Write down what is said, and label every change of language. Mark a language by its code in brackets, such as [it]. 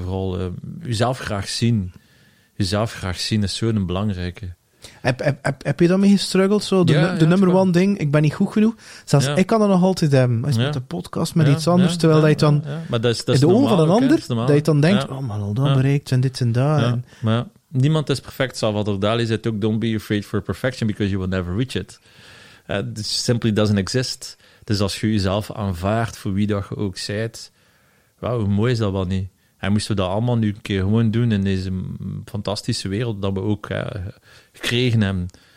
[nl] Vooral jezelf graag zien. Jezelf graag zien is zo'n belangrijke. Heb je daarmee gestruggeld? De [en] number one [nl] ding, ik ben niet goed genoeg. Zelfs ik kan dat nog altijd hebben. Als met een podcast, met iets anders. Terwijl dat je dan in de ogen van een ander, dat je dan denkt, oh man, al dat bereikt en dit en dat. Niemand is perfect. Salvador Dali zei ook, [en] don't be afraid for perfection because you will never reach it. It simply doesn't exist. [nl] Dus als je jezelf aanvaardt voor wie dat je ook bent, wow, hoe mooi is dat wel niet? En moesten we dat allemaal nu een keer gewoon doen in deze fantastische wereld dat we ook gekregen hebben.